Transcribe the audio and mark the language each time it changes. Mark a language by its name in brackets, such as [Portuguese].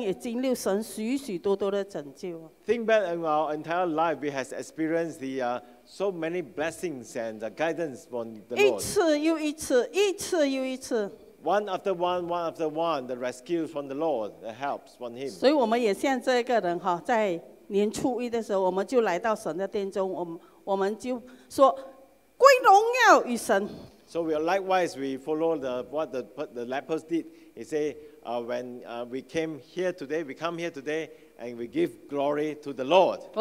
[Chinese] 我们的一生也经历神许许多多的拯救。 [English] Think back in our entire life, we have experienced so many blessings and the guidance from the Lord. [Chinese] 一次又一次。 [English] One after one, the rescue from the Lord, the help from Him. [Chinese] 所以我们也像这个人哈, 在年初一的时候, 我们就来到神的殿中, 我们就说, 归荣耀与神。 [English] So we likewise we follow what the lepers did. He say, when we came here today, we come here today, and we give glory to the Lord.